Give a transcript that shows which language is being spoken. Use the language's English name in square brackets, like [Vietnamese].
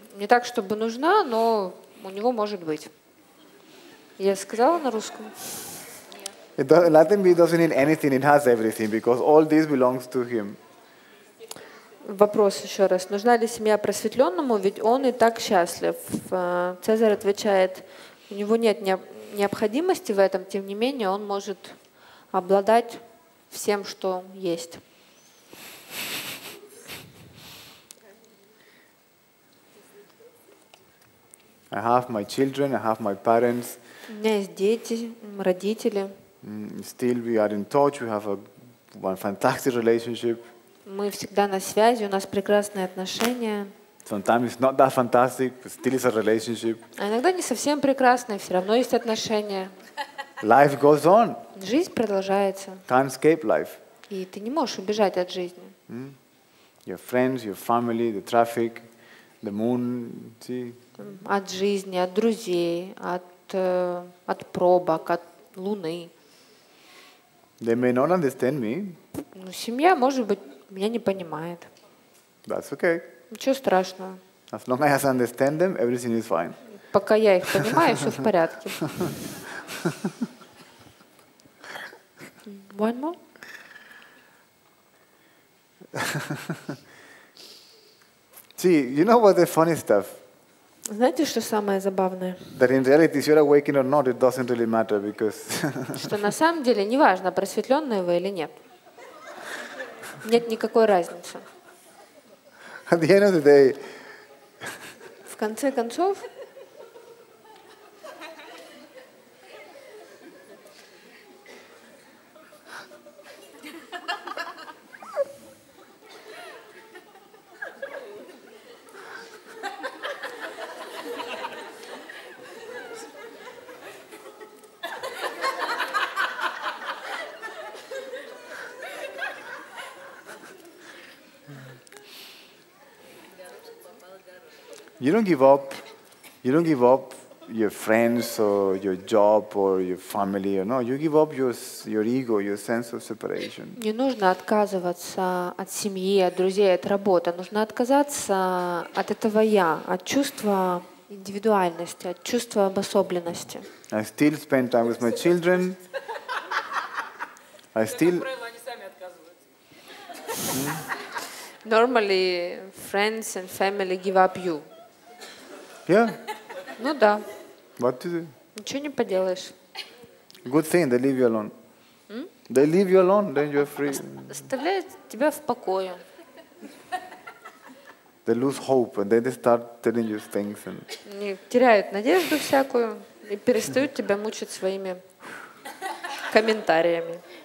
[Russian] Не так, чтобы нужна, но у него может быть. Я сказала на русском? [English] Latin B doesn't need anything, it has everything, because all this belongs to him. [Russian] Вопрос еще раз. Нужна ли семья просветленному, ведь он и так счастлив? Цезарь отвечает, у него нет необходимости в этом, тем не менее он может обладать всем, что есть. [English] I have my children, I have my parents. [Russian] У меня есть дети, родители. [English] Still we are in touch, we have one fantastic relationship. [Russian] Мы всегда на связи, у нас прекрасные отношения. [English] Sometimes it's not that fantastic, but still it's a relationship. [Russian] А иногда не совсем прекрасные, все равно есть отношения. [English] Life goes on. [Russian] Жизнь продолжается. [English] Can't escape life. [Russian] И ты не можешь убежать от жизни. [English] Your friends, your family, the traffic, the moon, see? [Russian] От жизни, от друзей, от пробок, от луны. [English] They may not understand me. [Russian] Ну, семья, может быть, меня не понимает. [English] That's okay. [Russian] Ничего страшного. [English] As long as I understand them, everything is fine. [Russian] Пока я их понимаю, все в порядке. [English] One more? See, you know what the funny stuff? [Russian] Знаете, что самое забавное? [English] That in reality, if you're awakened or not, it doesn't really matter because. [Russian] Что на самом деле не важно, просветленные вы или нет. Нет никакой разницы. [English] At the end of the day. [Russian] В конце концов. [English] You don't give up your friends or your job or your family or no. You give up your ego, your sense of separation. [Russian] Не нужно отказываться от семьи, от друзей, от работы. Нужно отказаться от этого я, от чувства индивидуальности, от чувства обособленности. [English] I still spend time with my children. I still. Normally, friends and family give up you. Yeah. [Russian] Ну да. [English] What to do? [Russian] Ничего не поделаешь. [English] Good thing they leave you alone. They leave you alone, then you're free. [Russian] Оставляют тебя в покое. [English] They lose hope and then they start telling you things and. [Russian] Они теряют надежду всякую и перестают тебя мучить своими комментариями.